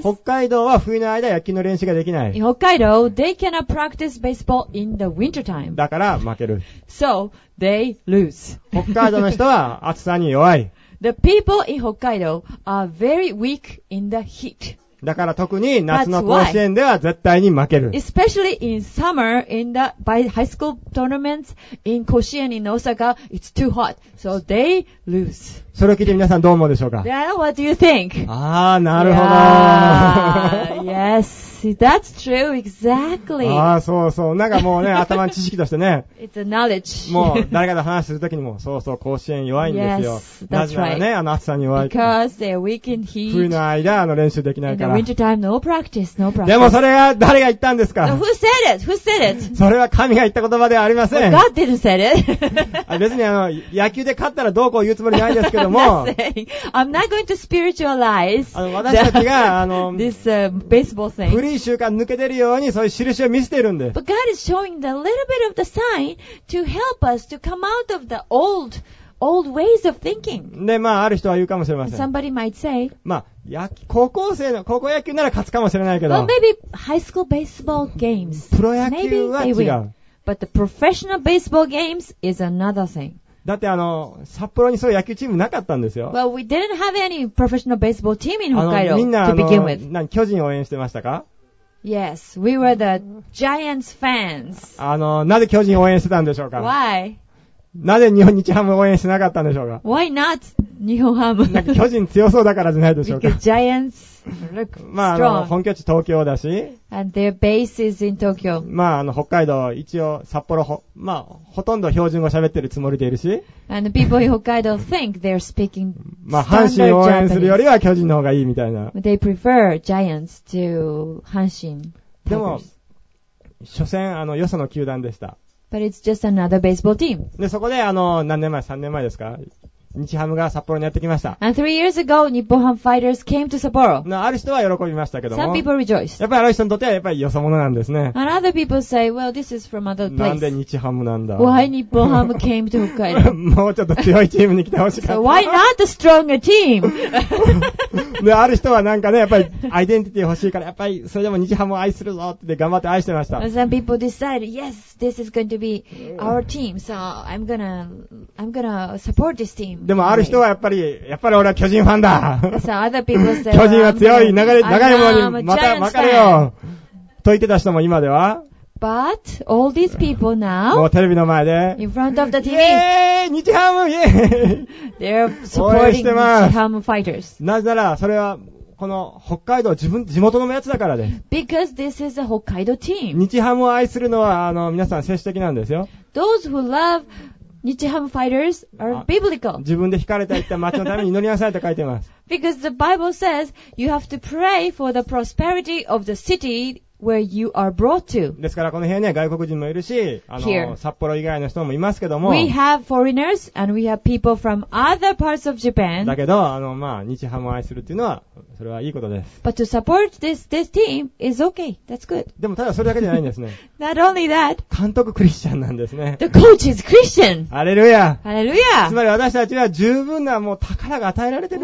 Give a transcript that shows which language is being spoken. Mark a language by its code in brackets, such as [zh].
[ja] 北海道は冬の間野球の練習ができない。 [en] In Hokkaido, they cannot practice baseball in the winter time. [ja] だから負ける。 [en] So, they lose. [ja] 北海道の人は暑さに弱い。 [en] The people in Hokkaido are very weak in the heat. [ja] だから特に夏の甲子園では絶対に負ける。 [en] Especially in summer, in the high school tournaments in 甲子園 in Osaka, it's too hot, so they lose. [ja] それを聞いて皆さんどう思うでしょうか [en] Yeah, what do you think? [ja] ああ、なるほど。 [en] Yeah, yes, that's true, exactly. [ja] ああ、そうそう。なんかもうね、頭の知識としてね。 [en] It's a knowledge. [ja] もう誰かと話するときにも、そうそう、甲子園弱いんですよ。 [en] Yes, that's right. [ja] なぜならね、あの暑さに弱い。 [en] Because they're weak in heat. [ja] 冬の間、あの練習できないから。 [en] In the wintertime, no practice, no practice. [ja] でもそれが誰が言ったんですか [en] Who said it? Who said it? [ja] それは神が言った言葉ではありません。 [en] Well, God didn't say it. [ja] 別にあの、野球で勝ったらどうこう言うつもりないですけど、 [en] I'm not going to spiritualize. [ja] あの、私たちが、あの、 [en] this, baseball thing. [ja] 古い習慣抜けてるように、そういう印を見せてるんで。 [en] But God is showing the little bit of the sign to help us to come out of the old ways of thinking. [ja] で、まあ、ある人は言うかもしれません。 [en] Somebody might say, [ja] まあ、高校野球なら勝つかもしれないけど。 [en] Well, maybe high school baseball games. [ja] プロ野球は違う。 [en] But the professional baseball games is another thing. [ja] だってあの札幌にそういう野球チームなかったんですよ。 [en] Well, we didn't have any professional baseball team in Hokkaido [ja] みんな [en] to begin with. [ja] 何巨人を応援してましたか [en] ？Yes, we were the Giants fans. [ja] あのなぜ巨人を応援してたんでしょうか [en] ？Why? [ja] なぜ日本日ハムを応援してなかったんでしょうか [en] ？Why not 日本ハム？ [ja] 巨人強そうだからじゃないでしょうか [en] ？Because Giants look strong. [ja] まああの本拠地東京だし。 [en] And their base is in Tokyo. [ja] まああの北海道一応札幌まあほとんど標準語喋ってるつもりでいるし。 [en] And the people in Hokkaido think they're speaking standard [ja] Japanese. まあ阪神を応援するよりは巨人の方がいいみたいな。 [en] They prefer Giants to 阪神。 [ja] でも所詮あのよその球団でした。 [en] But it's just another baseball team. [ja] でそこであの何年前3年前ですか日ハムが札幌にやってきました。 [en] And three years ago, 日本ハムファイターズ came to 札幌。 [ja] なある人は喜びましたけども。 [en] Some people rejoice. [ja] やっぱりある人にとってはやっぱりよそ者なんですね。 [en] And other people say, well, this is from other place. [ja] なんで日ハムなんだ。 [en] Why 日本ハム came to 北海道。 [ja] もうちょっと強いチームに来てほしかった。 [en] So、why not a stronger team? [ja] で、ある人はなんかね、やっぱり、アイデンティティ欲しいから、やっぱり、それでも日ハムを愛するぞって頑張って愛してました。 [en] Some people decide, yes, this is going to be our team, so I'm gonna support this team. [ja] でもある人はやっぱり俺は巨人ファンだ。 [en] So other people say, [ja] 巨人は強い、長いものに、また分かるよ。と言ってた人も今では [en] But all these people now, [ja] もうテレビの前で、 [en] in front of the TV, [ja] イエーイ日ハムイエーイ [en] They're supporting 日ハム fighters. [ja] なぜならそれはこの北海道地元のやつだからです。 [en] Because this is a Hokkaido team. [ja] 日ハムを愛するのは皆さん精神的なんですよ。 [en] Those who love 日ハムファイターズ are biblical. [ja] 自分で惹かれた行った町のために祈りなさいと書いてます。 [en] Because the Bible says you have to pray for the prosperity of the city. Where you are brought to. [ja] ですからこの部屋には外国人もいるし、 [en] Here. [ja] 札幌以外の人もいますけども。 [en] We have foreigners and we have people from other parts of Japan. [ja] だけど、まあ、日ハムを愛するっていうのは、それはいいことです。 [en] But to support this team is okay. That's good. [ja] でもただそれだけじゃないんですね。 [en] Not only that. [ja] 監督クリスチャンなんですね。 [en] The coach is Christian. [ja] ハレルヤ。ハレルヤ。つまり私たちは十分なもう宝が与えられてるん